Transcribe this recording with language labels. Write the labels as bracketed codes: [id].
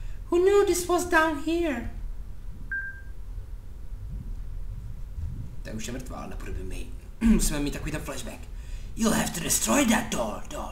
[en] Who knew this was down here? [cs] Ta už je mrtvá, ale nepůjde mi. Musíme mít takový ten flashback. [en] You'll have to destroy that door.